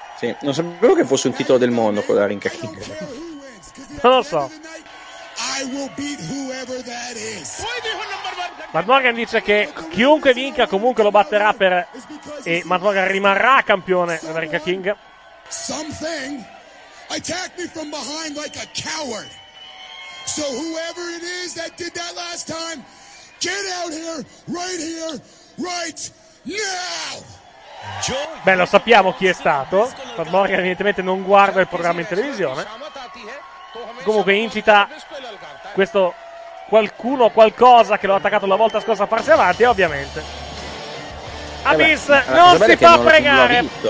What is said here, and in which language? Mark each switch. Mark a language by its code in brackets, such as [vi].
[it] Sì, non sapevo che fosse un titolo del mondo quello della Rinka King. Non lo so. [en] I will beat whoever that is. [it] Matt Morgan dice che chiunque vinca comunque lo batterà per, e Matt Morgan rimarrà campione della Rinka King. [en] Something attacked me from behind like a coward. So whoever it is that did that last time, get out here, right now. [it] Beh, lo sappiamo chi è stato. Matt Morgan evidentemente non guarda il programma in televisione. Comunque incita questo qualcuno, qualcosa che l'ho attaccato la volta scorsa a farsi avanti, ovviamente. Abyss, non si può pregare.